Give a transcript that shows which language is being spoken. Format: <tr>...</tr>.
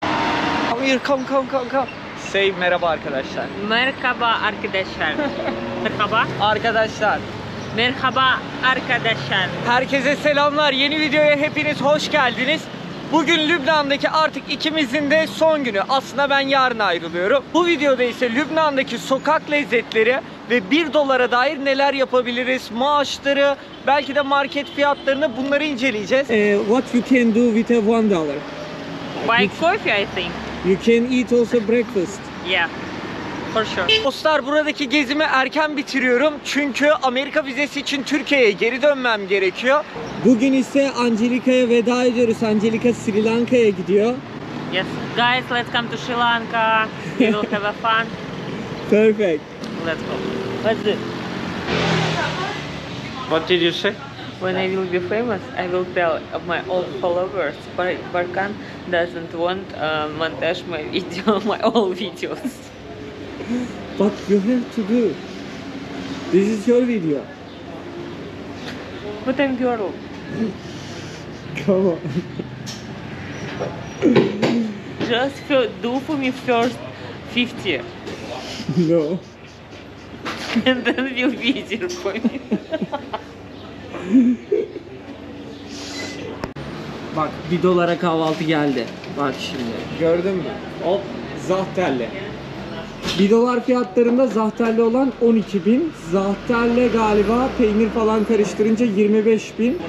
<en>Come here, come, come, come, come. Say</en> <tr>merhaba arkadaşlar. Merhaba arkadaşlar. Merhaba. Arkadaşlar. Merhaba arkadaşlar. Herkese selamlar. Yeni videoya hepiniz hoş geldiniz. Bugün Lübnan'daki artık ikimizin de son günü. Aslında ben yarın ayrılıyorum. Bu videoda ise Lübnan'daki sokak lezzetleri ve 1 dolara dair neler yapabiliriz, maaşları, belki de market fiyatlarını, bunları inceleyeceğiz.</tr> <en>What you can do with a $1? Buy coffee, I think. You can eat also breakfast. Yeah. For sure.</en> <tr>Dostlar, buradaki gezimi erken bitiriyorum çünkü Amerika vizesi için Türkiye'ye geri dönmem gerekiyor. Bugün ise Angelika'ya veda ediyoruz. Angelika Sri Lanka'ya gidiyor.</tr> <en>Yes, guys, let's come to Sri Lanka. We will have a fun. Perfect. Let's go. Let's do it. What did you say? When I will be famous, I will tell of my old followers. Barkan doesn't want montage my video, my old videos. But you have to do. This is your video. But I'm girl. Come on. Just do for me first 50. No. And then you'll be easier for me.</en> <tr>Bak, bir dolara kahvaltı geldi. Bak şimdi. Gördün mü? Hop, zahterli. Bir dolar fiyatlarında zahterli olan 12.000, zahterle galiba peynir falan karıştırınca 25.000.</tr>